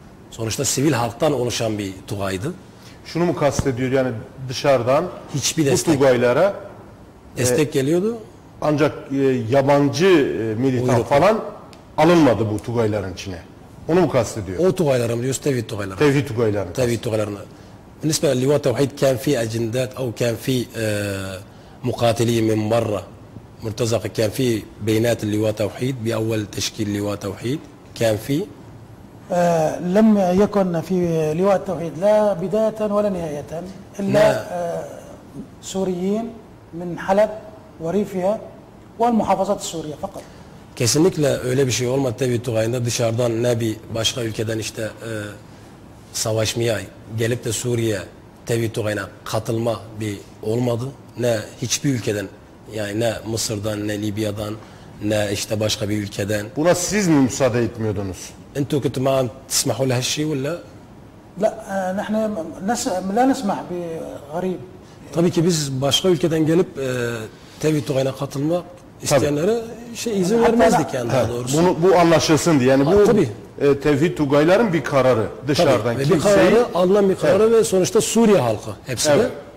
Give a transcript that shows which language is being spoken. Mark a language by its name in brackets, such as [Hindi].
[Turkish] Sonuçta sivil halktan oluşan bir tugaydı. Şunu mu kastediyor yani, dışarıdan hiçbir destek, bu tugaylara destek geliyordu. Ancak yabancı militan buyurun falan alınmadı bu tugayların içine. Onu mu kastediyor? O tugayları mı diyorsun, Tevhid Tugayları? Tevhid Tugayları. Tevhid Tugayları'nı. [Arabic] بالنسبة للواء التوحيد كان في أجندات أو كان في مقاتلين من برا مرتزقة؟ كان في بينات اللواء التوحيد بأول تشكيل لواء التوحيد؟ كان في لم يكن في لواء التوحيد لا بداية ولا نهاية إلا سوريين من حلب وريفها والمحافظات السورية فقط. [Turkish] Kesinlikle öyle bir şey olmadı tabi Tugay'ın da dışarıdan ne bir başka ülkeden işte savaşmaya gelip de Suriye tabi Tugay'ına katılma bir olmadı. Ne hiçbir ülkeden, yani ne Mısır'dan ne Libya'dan ne işte başka bir ülkeden. Buna siz mi müsaade etmiyordunuz? [Arabic] أنتوا كنت ما تسمحوا له هالشيء ولا؟ لا نحن لا نسمح بغريب. [Turkish] Tabii ki biz başka ülkeden gelip tabi Tugay'ına katılma isteyenlere şey izin vermezdik yani, daha doğrusu. Bunu, bu anlaşılsın diye. Yani bu Tevhid Tugayların bir kararı dışarıdan. Tabii, kimseyi... Bir kararı, alınan bir kararı ve sonuçta Suriye halkı hepsi de.